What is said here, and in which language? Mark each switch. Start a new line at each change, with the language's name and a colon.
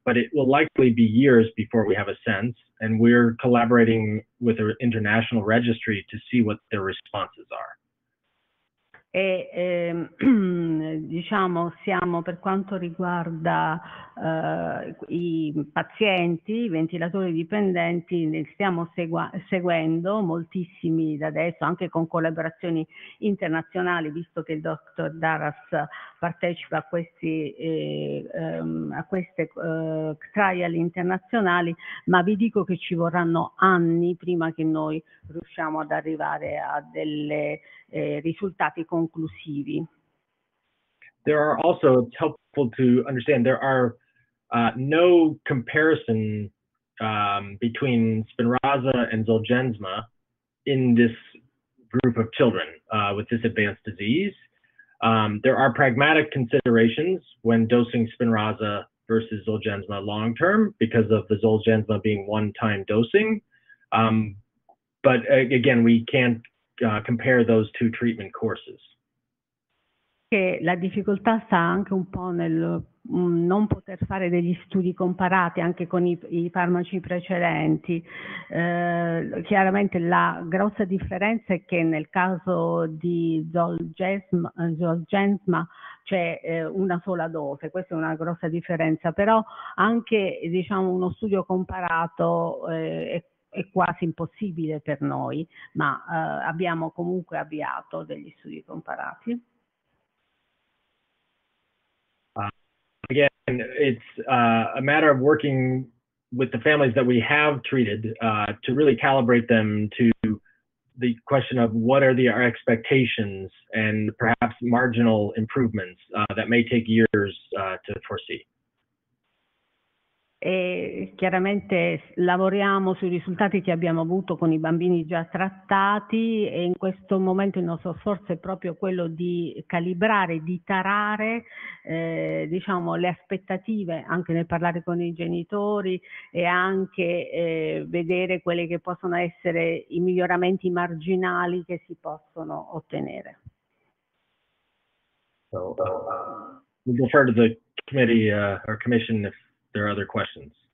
English: But it will likely be years before we have a sense, and we're collaborating with an international registry to see what their responses are.
Italian: E diciamo siamo, per quanto riguarda i pazienti, i ventilatori dipendenti, ne stiamo seguendo moltissimi da adesso, anche con collaborazioni internazionali, visto che il dottor Daras partecipa a queste trial internazionali, ma vi dico che ci vorranno anni prima che noi riusciamo ad arrivare a delle risultati conclusivi.
English: There are also, it's helpful to understand, there are no comparison between Spinraza and Zolgensma in this group of children with this advanced disease. There are pragmatic considerations when dosing Spinraza versus Zolgensma long term because of the Zolgensma being one time dosing. But again, we can't compare those two treatment courses.
Italian: Che la difficoltà sta anche un po' nel non poter fare degli studi comparati anche con i farmaci precedenti. Chiaramente la grossa differenza è che nel caso di Zolgensma c'è una sola dose, questa è una grossa differenza, però anche diciamo uno studio comparato è quasi impossibile per noi, ma abbiamo comunque avviato degli studi comparati.
English: Again, it's a matter of working with the families that we have treated to really calibrate them to the question of what are the our expectations and perhaps marginal improvements that may take years to foresee.
Italian: E chiaramente lavoriamo sui risultati che abbiamo avuto con i bambini già trattati e in questo momento il nostro sforzo è proprio quello di calibrare, di tarare diciamo le aspettative anche nel parlare con i genitori e anche vedere quelli che possono essere i miglioramenti marginali che si possono ottenere.
English: We'll refer to the committee or commission if there are other questions.